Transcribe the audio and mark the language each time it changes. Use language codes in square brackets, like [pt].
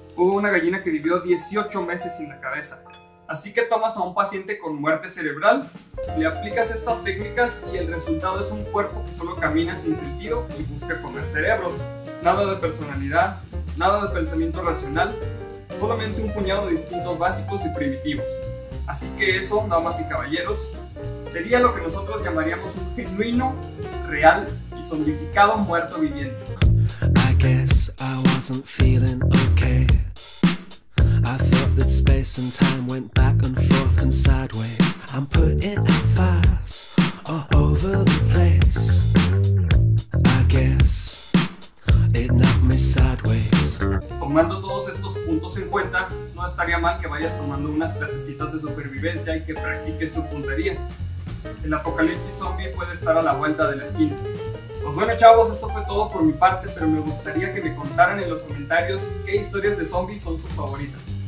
[es] Hubo una gallina que vivió 18 meses sin la cabeza. Así que tomas a un paciente con muerte cerebral, le aplicas estas técnicas y el resultado es un cuerpo que solo camina sin sentido y busca comer cerebros. Nada de personalidad, nada de pensamiento racional, solamente un puñado de instintos básicos y primitivos. Así que eso, damas y caballeros, sería lo que nosotros llamaríamos un genuino, real y zombificado muerto viviente. [en] I guess I wasn't feeling okay. I thought that space and time went back and forth and sideways. I'm putting it fast all over the place. I guess it knocked me sideways. [es] Tomando todos estos puntos en cuenta, no estaría mal que vayas tomando unas clasecitas de supervivencia y que practiques tu puntería. El apocalipsis zombie puede estar a la vuelta de la esquina. Pues bueno, chavos, esto fue todo por mi parte, pero me gustaría que me contaran en los comentarios qué historias de zombies son sus favoritas.